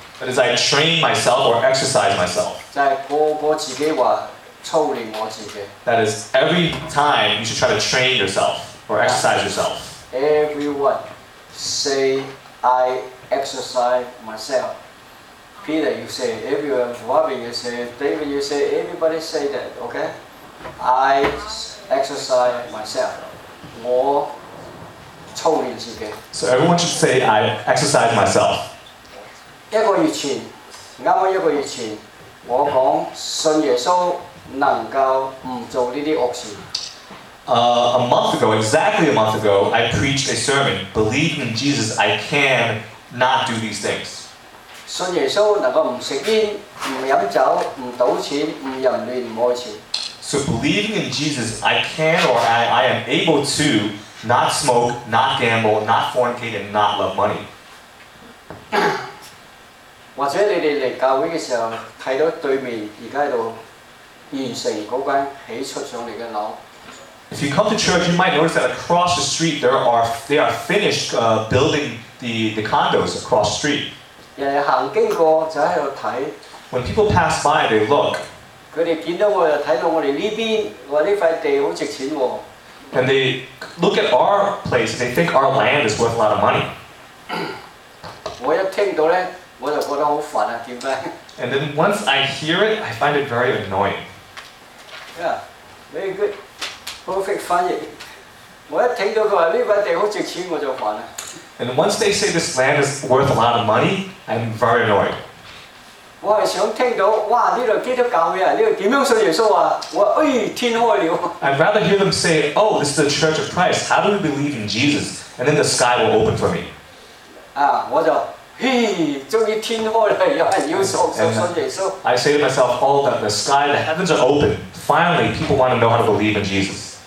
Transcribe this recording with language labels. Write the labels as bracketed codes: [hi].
[en] That is, I train myself or exercise myself. [yue] 就系我自己话操练我自己。 [en] That is, every time you should try to train yourself or exercise yourself. Everyone, say I exercise myself. Peter, you say it. Everyone, Robin, you say it. David, you say it. Everybody say that, okay? I exercise myself. [yue] 我操练自己。 [en] So everyone should say, I exercise myself. [yue] 一个月前，啱啱一个月前，我讲信耶稣能够唔做呢啲恶事。 [en] A month ago, exactly a month ago, I preached a sermon, Believe in Jesus, I can not do these things. [yue] 信耶稣能够唔食烟、唔饮酒、唔赌钱、唔淫乱、唔爱钱。 [en] So believing in Jesus, I can or I am able to not smoke, not gamble, not fornicate, and not love money. [yue] 或者你哋嚟教会嘅时候，睇到对面而家喺度完成嗰间起出上嚟嘅楼。 [en] If you come to church, you might notice that across the street they are finished building the condos across the street. [yue] 人哋行經過就喺度睇。 [en] When people pass by, they look. [yue] 佢哋見到我又睇到我哋呢邊，話呢塊地好值錢喎。 [en] And they look at our place, they think our land is worth a lot of money. [yue] 我一聽到咧，我就覺得好煩啊，點解 [en] ？And then once I hear it, I find it very annoying. Yeah, very good, perfect [yue] 翻譯。我一聽到佢話呢塊地好值錢，我就煩啊。 [en] And once they say this land is worth a lot of money, I'm very annoyed. [yue] 我係想聽到，哇！呢度基督教會啊，呢度點樣信耶穌啊？我哎，天開了。 [en] I'd rather hear them say, "Oh, this is the Church of Christ. How do we believe in Jesus?" And then the sky will open for me. [yue] 啊，我就嘿，終於天開了，又係要信耶穌。 [en] I say to myself, "Oh, that the sky, the heavens are open. Finally, people want to know how to believe in Jesus."